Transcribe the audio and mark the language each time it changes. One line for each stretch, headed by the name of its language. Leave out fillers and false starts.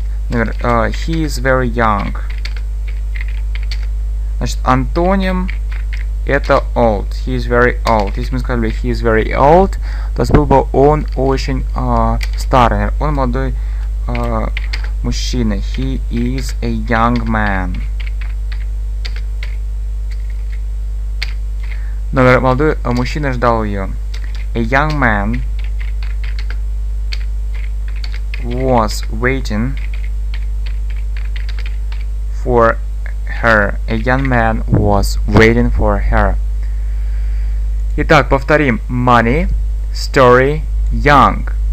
English: Например, he is very young.
Russian: Значит, антоним — это old.
English: He is very old.
Russian: Если мы сказали
English: he is very old,
Russian: то был бы он очень старый. Он молодой мужчина.
English: He is a young man.
Russian: Номер, молодой мужчина ждал ее.
English: A young man was waiting for her. A young man was waiting for her.
Russian: Итак, повторим. Money, story, young.